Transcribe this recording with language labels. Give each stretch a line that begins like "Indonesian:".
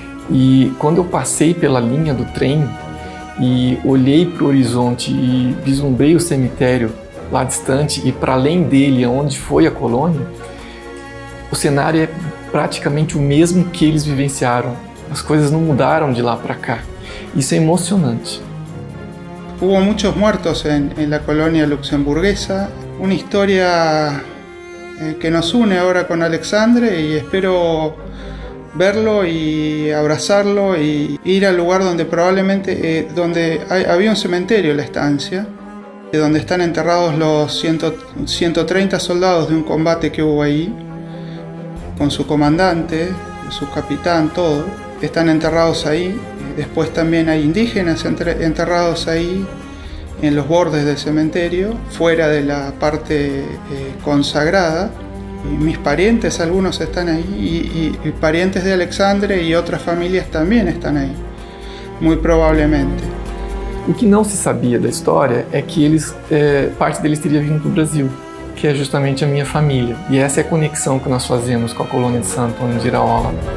Portuguese: E quando eu passei pela linha do trem e olhei para o horizonte e vislumbrei o cemitério lá distante e para além dele, onde foi a colônia, o cenário é praticamente o mesmo que eles vivenciaram. As coisas não mudaram de lá para cá. Isso é emocionante.
Spanish: Hubo muchos muertos en la colonia luxemburguesa. Una historia que nos une ahora con Alexandre, y espero verlo y abrazarlo y ir al lugar donde probablemente había un cementerio en la estancia, donde están enterrados los 130 soldados de un combate que hubo ahí, con su comandante, su capitán, todo. Están enterrados ahí. Después también hay indígenas enterrados ahí, en los bordes del cementerio, fuera de la parte consagrada. Y mis parientes, algunos están ahí, y parientes de Alexandre y otras familias también están ahí, muy probablemente.
Portuguese: O que não se sabia da história é que eles, parte deles teria vindo para o Brasil, que é justamente a minha família. E essa é a conexão que nós fazemos com a colônia de Santo Antônio de Iraola.